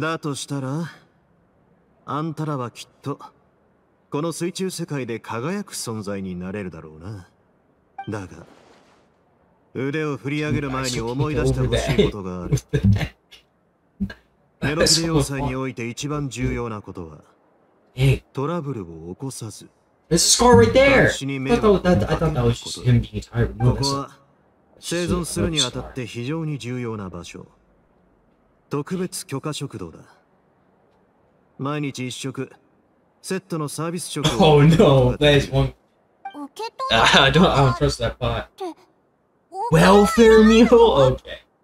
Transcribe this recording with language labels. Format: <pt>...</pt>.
<ja>だとしたら、あんたらはきっと、この水中世界で輝く存在になれるだろうな。だが、腕を振り上げる前に思い出してほしいことがある。メロピデ要塞において一番重要なことは、トラブルを起こさず。</ja> <en>This is Scar right there! I thought that was just him being tired.</en> <ja>ここは、生存するにあたって非常に重要な場所。特別許可食堂だ。毎日一食、セットのサービス食を。</ja> <en>Oh no! There's one! I don't trust that part. Welfare meal? Okay.</en>